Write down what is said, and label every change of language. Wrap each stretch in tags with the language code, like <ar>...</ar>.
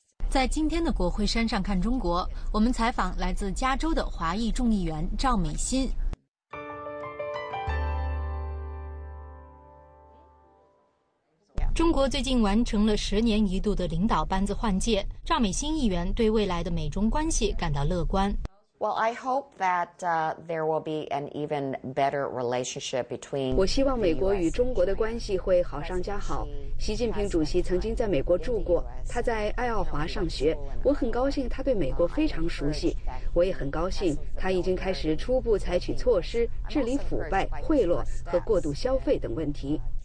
<zh>在今天的国会山上看中国，我们采访来自加州的华裔众议员赵美欣。中国最近完成了10年一度的领导班子换届，赵美欣议员对未来的美中关系感到乐观。</zh> <en>Well, I hope that there will be an even better relationship between.</en> <zh>我希望美国与中国的关系会好上加好。习近平主席曾经在美国住过，他在爱奥华上学。我很高兴他对美国非常熟悉。我也很高兴他已经开始初步采取措施治理腐败、贿赂和过度消费等问题。</zh>